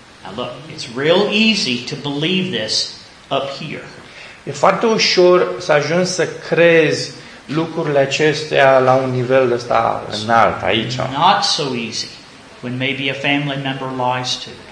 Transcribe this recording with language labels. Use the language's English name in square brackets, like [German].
[English] Now look, it's real easy to believe this up here. [Romanian] E foarte ușor să ajungi să crezi lucrurile acestea la un nivel ăsta înalt aici. [English] Not so easy when maybe a family member lies to.